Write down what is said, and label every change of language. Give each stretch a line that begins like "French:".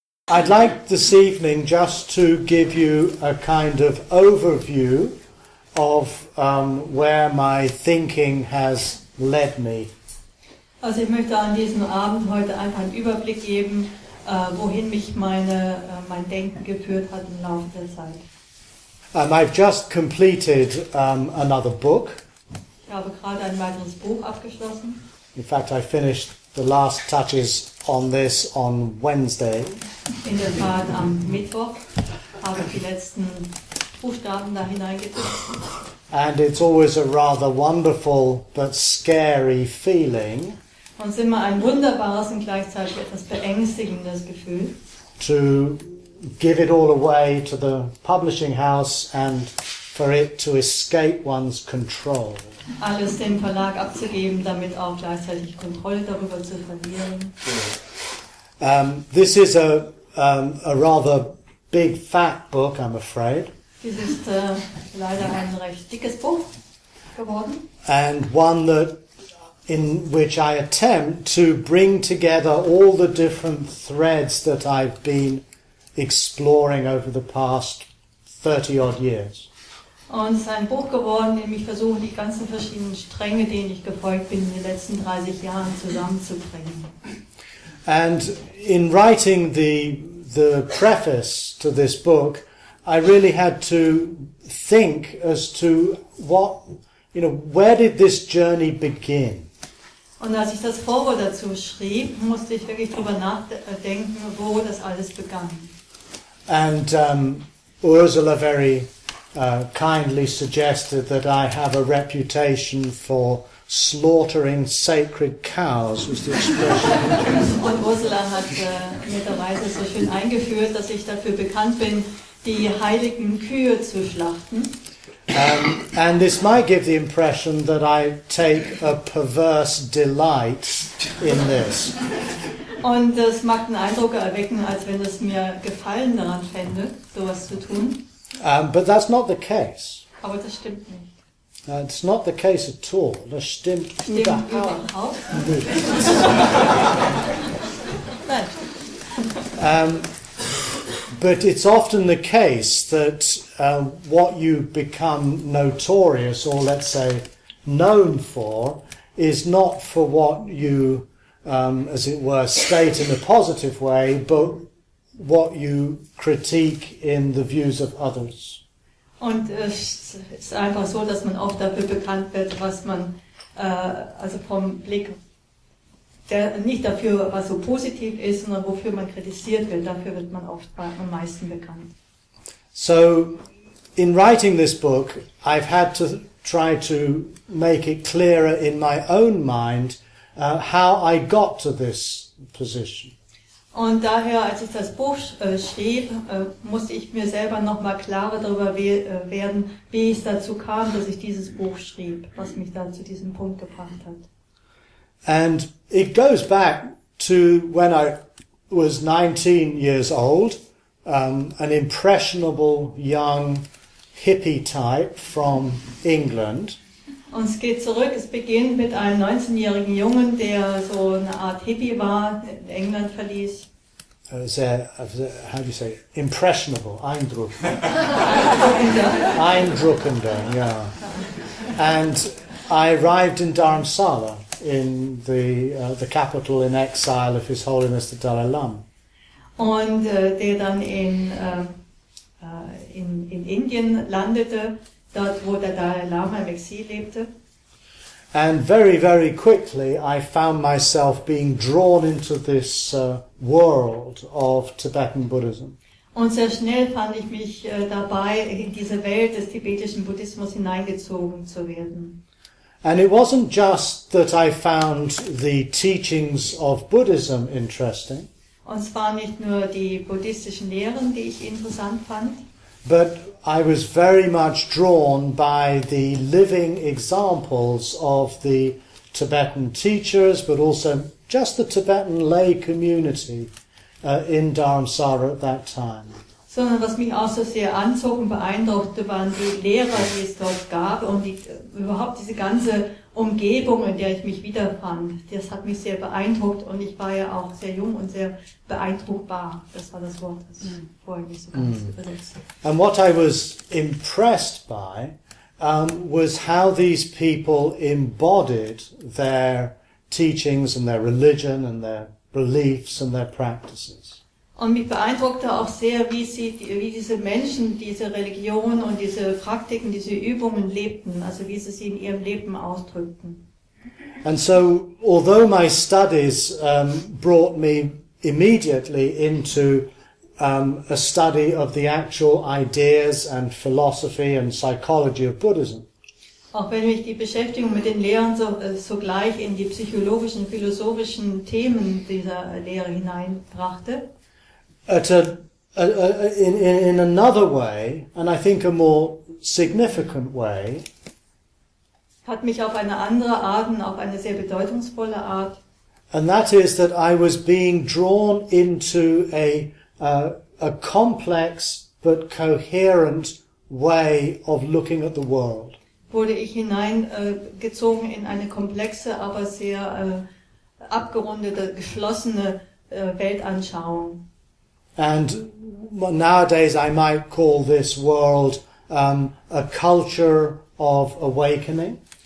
English: I'd like this evening just to give you a kind of overview of where my thinking has led me.
German: Also, ich möchte an diesem Abend heute einfach einen Überblick geben, wohin mich mein Denken geführt hat im Laufe der Zeit.
English: I've just completed another book.
German: Ich habe gerade ein weiteres Buch abgeschlossen.
English: In fact, I finished the last touches on this on Wednesday.
German: In der Tat, am Mittwoch habe ich die letzten Buchstaben da hineingetippt.
English: And it's always a rather wonderful but scary feeling.
German: Und es ist immer ein wunderbares und gleichzeitig etwas beängstigendes Gefühl.
English: To give it all away to the publishing house and for it to escape one's control.
German: Alles dem Verlag abzugeben, damit auch gleichzeitig Kontrolle darüber zu verlieren.
English: This is a rather big fat book, I'm afraid.
German: Dies ist leider ein recht dickes Buch geworden.
English: And one that in which I attempt to bring together all the different threads that I've been exploring over the past 30 odd years.
German: Und es ist ein Buch geworden, in dem ich versuche, die ganzen verschiedenen Stränge, denen ich gefolgt bin, in den letzten 30 Jahren zusammenzubringen.
English: And in writing the preface to this book, I really had to think as to what, you know, where did this journey begin?
German: Und als ich das Vorwort dazu schrieb, musste ich wirklich drüber nachdenken, wo das alles begann.
English: And Ursula very kindly suggested that I have a reputation for slaughtering sacred cows, was the expression.
German: Und Ursula hat netterweise so schön eingeführt, dass ich dafür bekannt bin, die heiligen Kühe zu schlachten.
English: And this might give the impression that I take a perverse delight in this.
German: Und es mag den Eindruck erwecken, als wenn es mir Gefallen daran fände, sowas zu tun.
English: But that's not the case.
German: Aber das stimmt nicht.
English: It's not the case at all.
German: Das stimmt überhaupt nicht.
English: But it's often the case that what you become notorious, or let's say known for, is not for what you, as it were, state in a positive way, but what you critique in the views of others.
German: Und es ist einfach so, dass man oft dafür bekannt wird, was man, also vom Blick, der, nicht dafür, was so positiv ist, sondern wofür man kritisiert wird, dafür wird man oft am meisten bekannt.
English: So, in writing this book, I've had to try to make it clearer in my own mind, how I got to this position.
German: Und daher, als ich das Buch schrieb, musste ich mir selber nochmal klarer darüber werden, wie es dazu kam, dass ich dieses Buch schrieb, was mich dann zu diesem Punkt gebracht hat.
English: And it goes back to when I was 19 years old, an impressionable young hippie type from England.
German: Und es geht zurück, es beginnt mit einem 19-jährigen Jungen, der so eine Art Hippie war, in England verließ.
English: How do you say, impressionable, eindruckender, yeah. And I arrived in Dharamsala, in the capital in exile of His Holiness the Dalai Lama.
German: Und der dann in Indien landete, dort wo der Dalai Lama im Exil lebte.
English: And very, very quickly I found myself being drawn into this world of Tibetan Buddhism.
German: Und sehr schnell fand ich mich dabei, in diese Welt des tibetischen Buddhismus hineingezogen zu werden.
English: And it wasn't just that I found the teachings of Buddhism interesting.
German: Und zwar nicht nur die buddhistischen Lehren, die ich interessant fand.
English: But I was very much drawn by the living examples of the Tibetan teachers, but also just the Tibetan lay community in Dharamsala at that time.
German: Sondern was mich auch so sehr anzog und beeindruckte, waren die Lehrer, die es dort gab und überhaupt diese ganze Umgebung, in der ich mich wiederfand, das hat mich sehr beeindruckt und ich war ja auch sehr jung und sehr beeindruckbar. Das war das Wort, das vorhin nicht so ganz übersetzt.
English: And what I was impressed by was how these people embodied their teachings and their religion and their beliefs and their practices.
German: Und mich beeindruckte auch sehr, wie diese Menschen diese Religion und diese Praktiken, diese Übungen lebten, also wie sie in ihrem Leben ausdrückten.
English: And so, although my studies brought me immediately into a study of the actual ideas and philosophy and psychology of Buddhism.
German: Auch wenn mich die Beschäftigung mit den Lehren sogleich in die psychologischen, philosophischen Themen dieser Lehre hineinbrachte.
English: In another way, and I think a more significant way,
German: hat mich auf eine andere Art und auf eine sehr bedeutungsvolle Art.
English: And that is that I was being drawn into a complex but coherent way of looking at the world.
German: Wurde ich hineingezogen in eine komplexe, aber sehr abgerundete, geschlossene Weltanschauung.
English: And nowadays I might call this world a culture of awakening.